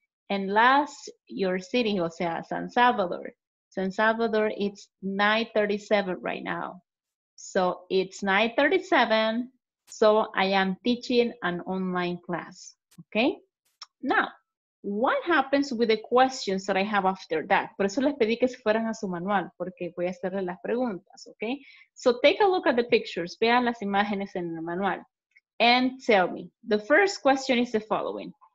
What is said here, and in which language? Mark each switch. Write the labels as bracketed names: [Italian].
[English] And last, your city, [Spanish] o sea, [English] San Salvador. San Salvador, it's 9:37 right now. So it's 9:37. So I am teaching an online class, okay? Now, what happens with the questions that I have after that? [Spanish] Por eso les pedí que se fueran a su manual, porque voy a hacerle las preguntas, okay? [English] So take a look at the pictures. [Spanish] Vean las imágenes en el manual. [English] And tell me, the first question is the following.